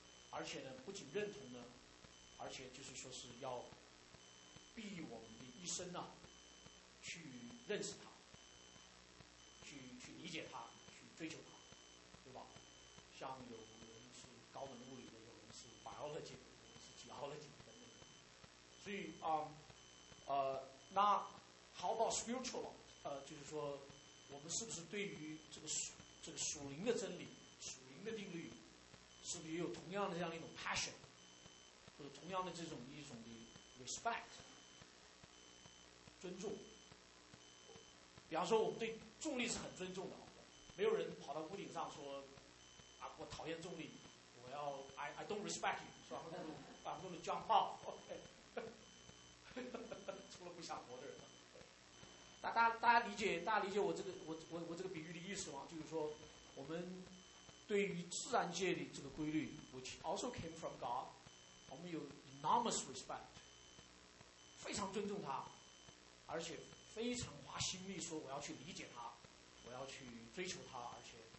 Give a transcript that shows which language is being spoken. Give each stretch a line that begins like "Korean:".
Chinese: 而且呢，不仅认同呢，而且就是说是要逼我们的一生呢，去认识它，去理解它，去追求它，对吧？像有人是高等物理的，有人是 biology， 有人是 geology 等等。所以那
English: how about spiritual？
Chinese: 就是说，我们是不是对于这个属灵的真理、属灵的定律，是不是也有同样的这样一种 passion， 或者同样的这种一种的 respect， 尊重？比方说，我们对重力是很尊重的，没有人跑到屋顶上说。啊，我讨厌重力，我要
English: I don't respect you，
Chinese: 是吧？
English: I'm gonna jump off， OK，
Chinese: 除了不想活的人。大家理解，大家理解我这个比喻的意思吗？就是说，我们对于自然界的这个规律 ，
English: which also came from God，
Chinese: 我们有
English: enormous respect，
Chinese: 非常尊重它，而且非常花心力说我要去理解它，我要去追求它，而且。